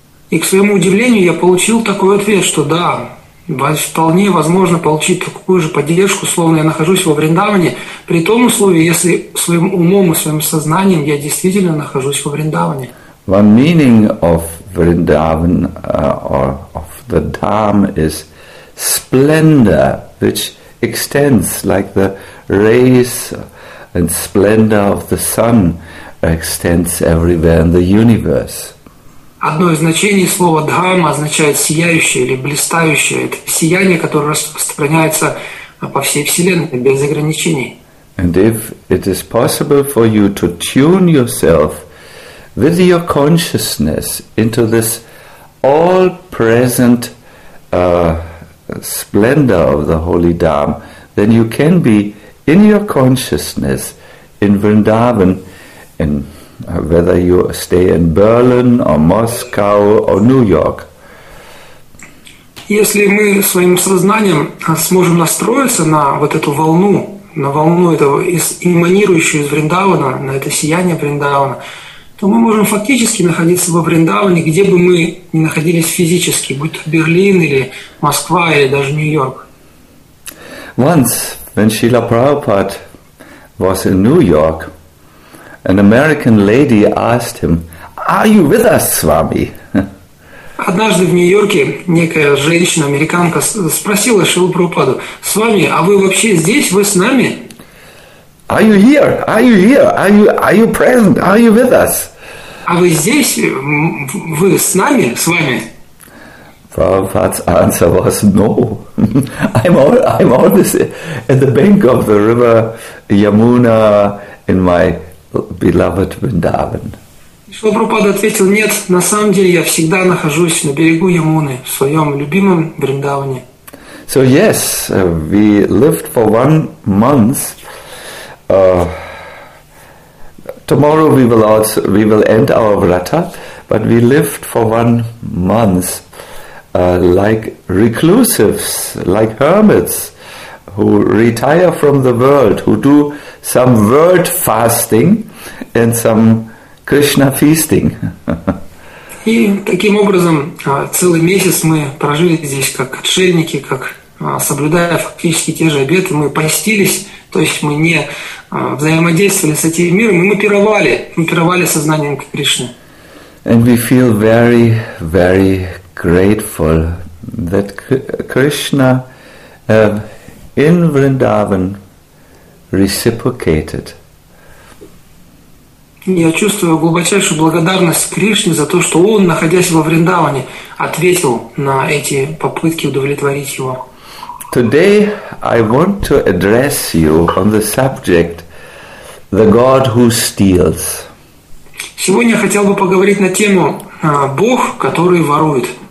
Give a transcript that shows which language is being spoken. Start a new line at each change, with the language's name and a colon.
Russian: И к своему удивлению я получил такой ответ, что да, вполне возможно получить такую же поддержку, словно я нахожусь во Вриндаване, при том условии, если своим умом и своим сознанием я действительно нахожусь во Вриндаване.
English: One meaning of Vrindavan or of the Dham is splendor, which extends like the rays and splendor of the sun extends everywhere in the universe.
Russian: Одно из значений слова «дхама» означает «сияющее» или «блистающее». Это сияние, которое распространяется по всей Вселенной без ограничений.
English: And if it is possible for you to tune yourself with your consciousness into this all-present splendor of the Holy Dham, then you can be in your consciousness in Vrindavan, in whether you stay in Berlin or Moscow or New York.
Russian: Если мы своим сознанием сможем настроиться на вот эту волну, на волну этого эманирующую из Вриндавана, на это сияние Вриндавана, то мы можем фактически находиться во Вриндаване, где бы мы ни находились физически, будь то Берлин или Москва или даже Нью-Йорк.
English: Once, when Srila Prabhupada was in New York, an American lady asked him, "Are you with us, Swami?"
Russian: Однажды в Нью-Йорке некая женщина, американка, спросила Шрилу Прабхупаду, "Свами, а вы вообще здесь, вы с нами?"
English: Are you here? Are you here? Are you present? Are you with us?
Russian: А вы здесь? Вы с нами? С вами?
English: Prabhupada's answer was no. I'm always at the bank of the river Yamuna in my beloved Vrindavan.
Russian: Шрила Прабхупада ответил, нет, на самом деле я всегда нахожусь на берегу Ямуны, в своем любимом Вриндаване.
English: So yes, we lived for 1 month. Tomorrow we will end our vrata, but we lived for 1 month like reclusives, like hermits who retire from the world, who do some word fasting and some Krishna feasting.
Russian: И таким образом целый месяц мы прожили здесь как отшельники, как соблюдая фактически те же обеты, мы постились, то есть мы не взаимодействовали с этим миром, мы пировали сознанием Кришны.
English: And we feel very, very grateful that Krishna in Vrindavan reciprocated.
Russian: Я чувствую глубочайшую благодарность Кришне за то, что он, находясь во Вриндаване, ответил на эти попытки удовлетворить его.
English: Today I want to address you on the subject the God who steals.
Russian: Сегодня я хотел бы поговорить на тему Бог, который ворует.